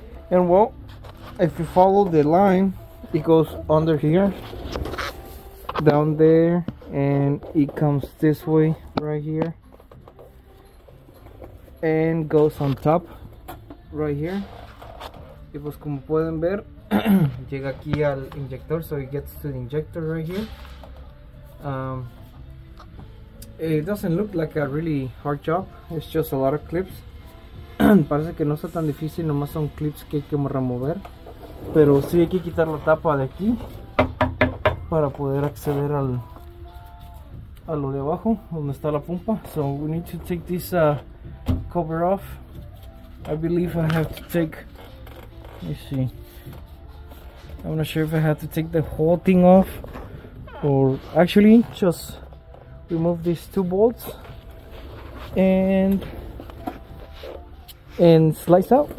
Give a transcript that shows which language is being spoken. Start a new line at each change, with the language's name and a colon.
English: And well, if you follow the line, it goes under here, down there, and it comes this way right here and goes on top right here.
Spanish: Y pues como pueden ver, llega aquí al inyector,
English: so it gets to the injector right here. It doesn't look like a really hard job, it's just a lot of clips.
Spanish: Parece que no está tan difícil, nomás son clips que hay que remover, pero sí hay que quitar la tapa de aquí para poder acceder al a lo de abajo donde está la pompa.
English: So we need to take this cover off. I believe I have to take, let me see, I'm not sure if I have to take the whole thing off or actually just remove these two bolts and slice out.